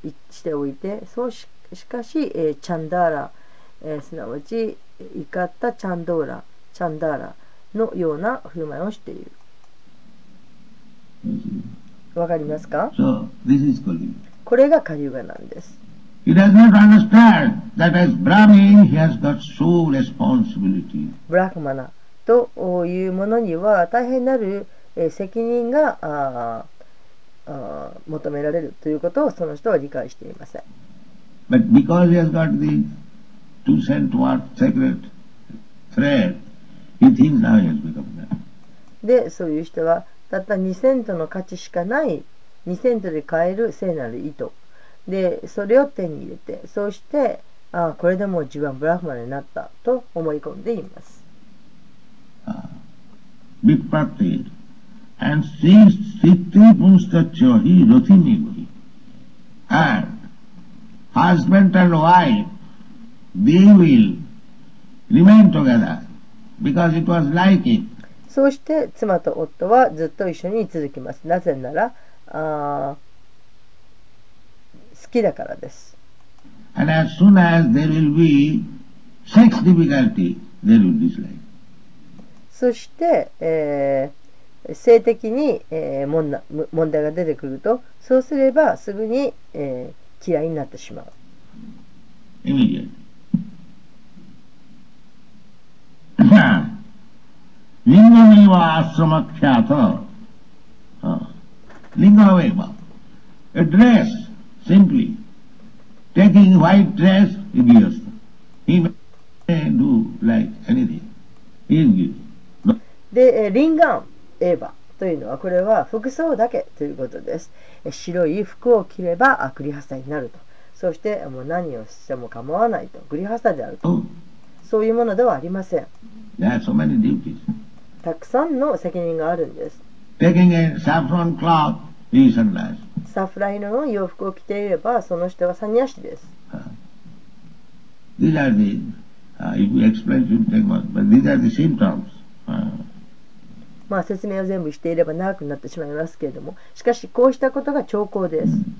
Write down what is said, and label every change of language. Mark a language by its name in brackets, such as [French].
[Japanese] しておいて、そう しかし、チャンダーラ、すなわち怒ったチャンドーラ、チャンダーラのような振る舞いをしている。わかりますか。 [English] So, this is Kali. [Japanese] これがカリウガなんです。 [English] He does not understand that as Brahmin he has got so responsibility. [Japanese] ブラフマナというものには大変なる、責任が求められるということをその人は理解していません。 [English] But because he has got the 2 cent worth sacred thread, he thinks now he has become that. [Japanese] で、そういう人はたった2セントの価値しかない2セントで買える聖なる糸で、それを手に入れて、そうしてこれでもう自分はブラフマンになったと思い込んでいます。 [English] Big practice. And since Siddhi Bhunstachyohi Rathimivahi, and husband and wife, they will remain together because it was like it. [Japanese] そして妻と夫はずっと一緒に続きます。なぜなら、好きだからです。 [English] And as soon as there will be sex difficulty, they will dislike. [Japanese] そして、性的に、問題が出てくると、そうすればすぐに、嫌いになってしまう。 [Sanskrit] リンガメイバーアスラマクシャータリンガメイバー [English] a dress simply taking white dress is used he may do like anything he is good [Japanese] で、リンガメイバーというのはこれは服装だけということです。白い服を着ればクリハスタになると、そしてもう何をしても構わないと、クリハスタであると、そういうものではありません。 [English] There are so many duties. [Japanese] たくさんの責任があるんです。 [English] Taking a saffron cloth, he is sannyas. [Japanese] サフラン色の洋服を着ていれば、その人はサニヤシです。 [English] These are the, if we explain it, it takes months, but these are the symptoms. [Japanese] まあ説明を全部していれば長くなってしまいますけれども、しかしこうしたことが兆候です。